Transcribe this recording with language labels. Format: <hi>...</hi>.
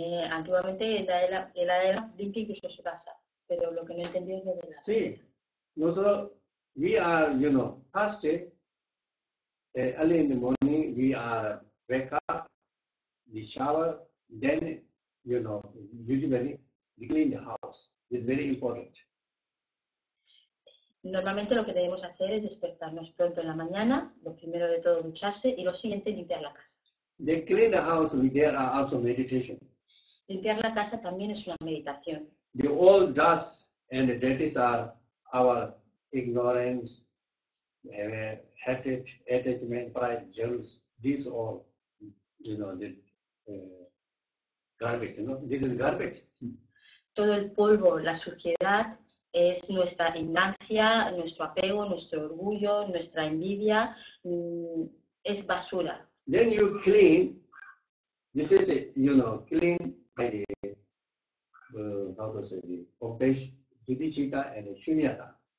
<es>Antiguamente Dalai Lama limpia incluso su casa, pero lo que no entendí es lo de la. Sí. Nosotros,</es> <en>we are, you know, past it, early in the morning, we are wake up, we shower, then, you know, usually we clean the house. It's very important.</en> <es>Normalmente lo que debemos hacer es despertarnos pronto en la mañana, lo primero de todo ducharse y lo siguiente limpiar la casa.</es> <en>They clean the house, there are also meditation.</en> <es>Limpiar la casa también es una meditación.</es> <en>The old dust and the dirties are our ignorance, hatred, attachment, pride, jealousy. These all, you know, the garbage. You know, this is garbage.</en> <es>Todo el polvo, la suciedad. Es nuestra ignorancia, nuestro apego, nuestro orgullo, nuestra envidia, es basura.</es> <en>Then you clean, this is, you know, clean by the, how to say, the compassion, bodhicitta and shunyata.</en>